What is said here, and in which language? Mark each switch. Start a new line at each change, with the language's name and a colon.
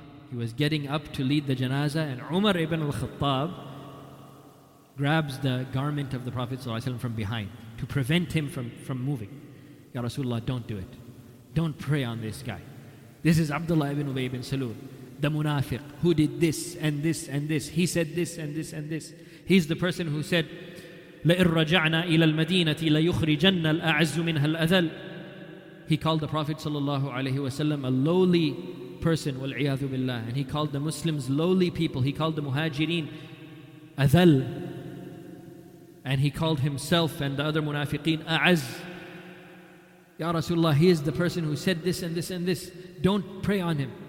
English: He was getting up to lead the janazah, and Umar ibn al-Khattab grabs the garment of the Prophet ﷺ from behind to prevent him from moving. Ya Rasulullah, don't do it. Don't pray on this guy. This is Abdullah ibn Ubay ibn Salul, the munafiq, who did this and this and this. He said this and this and this. He's the person who said,
Arabic: لَإِن رَجَعْنَا إِلَى الْمَدِينَةِ لَيُخْرِجَنَّ الْأَعَزُّ مِنْهَا الْأَذَلِ.
English: He called the Prophet sallallahu alayhi wa sallam a lowly person,
Arabic: وَالْعِيَاذُ بِاللَّهِ.
English: And he called the Muslims lowly people. He called the Muhajirin أَذَل. And he called himself and the other munafiqeen أَعَز. Ya Rasulullah, he is the person who said this and this and this. Don't pray on him.